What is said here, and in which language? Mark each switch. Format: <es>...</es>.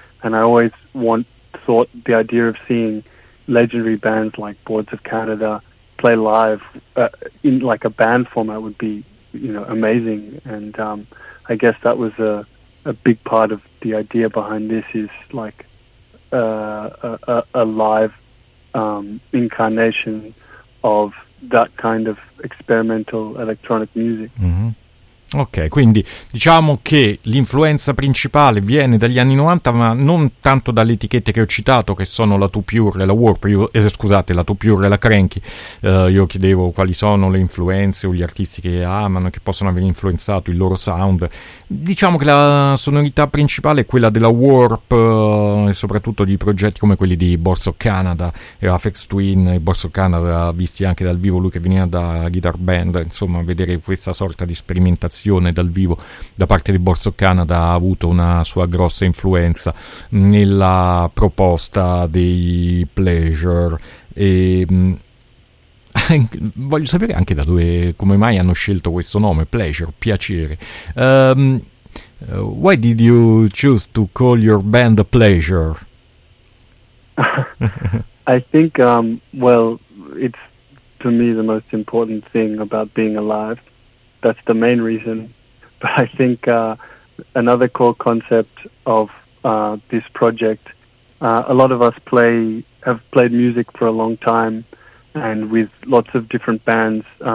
<en>And I always thought the idea of seeing legendary bands like Boards of Canada play live in like a band format would be, you know, amazing. And I guess that was a big part of the idea behind this, is like a live incarnation of that kind of experimental electronic music. Mm-hmm.</en> <it>Ok, quindi diciamo che l'influenza principale viene dagli anni 90, ma non tanto dalle etichette che ho citato, che sono la Too Pure, la Warp, la Too Pure e la Cranky. Io chiedevo quali sono le influenze o gli artisti che amano, che possono aver influenzato il loro sound. Diciamo che la sonorità principale è quella della Warp, e soprattutto di progetti come quelli di Boards of Canada e Aphex Twin, e Boards of Canada visti anche dal vivo, lui che veniva da Guitar Band, insomma vedere questa sorta di sperimentazione dal vivo da parte di Boards of Canada ha avuto una sua grossa influenza nella proposta dei Pleasure. E voglio sapere anche da dove, come mai hanno scelto questo nome Pleasure, piacere.</it> <en>Why did you choose to call your band Pleasure? I think it's to me the most important thing about being alive. That's the main reason. But I think another core concept of this project, a lot of us have played music for a long time and with lots of different bands.</en>